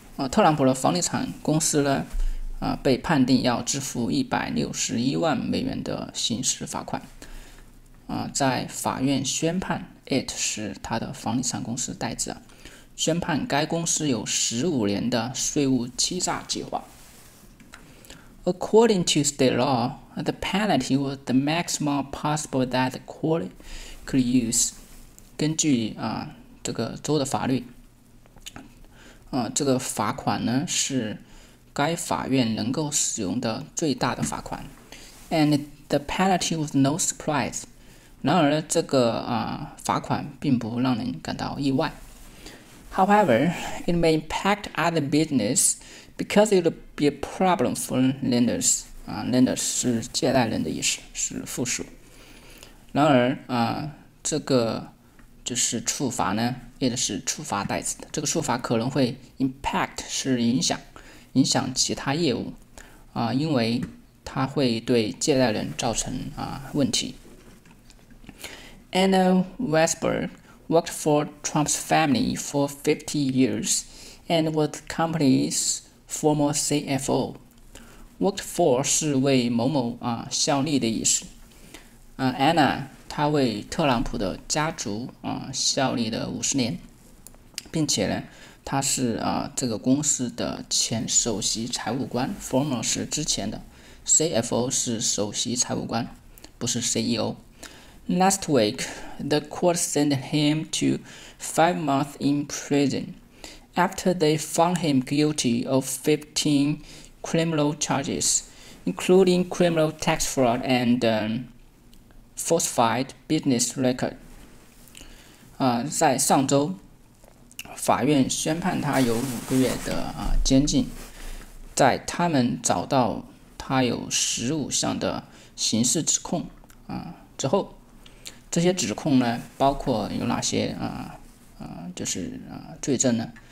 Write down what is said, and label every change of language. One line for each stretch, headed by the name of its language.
Chinese: 特朗普的房地产公司呢？被判定要支付$1,610,000的刑事罚款。在法院宣判 ，it 是他的房地产公司代指，宣判该公司有15年的税务欺诈计划。
English: According to state law, the penalty was the maximum possible that the court could use.
Chinese: 根据这个州的法律，这个罚款呢是。该法院能够使用的最大的罚款 ，
English: and the penalty was no surprise.
Chinese: 然而，这个罚款并不让人感到意外。
English: However, it may impact other business because it'll be a problem for lenders.
Chinese: Lenders 是借贷人的意思，是复数。然而，这个就是处罚呢，也就是处罚代词的。这个处罚可能会 impact 是影响。影响其他业务，因为它会对借贷人造成问题。
English: Anna Weisberg worked for Trump's family for 50 years and was the company's former CFO.
Chinese: Worked for 是为某某效力的意思。 Anna 她为特朗普的家族效力了50年，并且呢。他是这个公司的前首席财务官 ，former 是之前的 ，CFO 是首席财务官，不是 CEO。
English: Last week, the court sent him to 5 months in prison after they found him guilty of 15 criminal charges, including criminal tax fraud and falsified business record.
Chinese: 在上周。法院宣判他有5个月的监禁，在他们找到他有15项的刑事指控之后，这些指控呢包括有哪些就是罪证呢？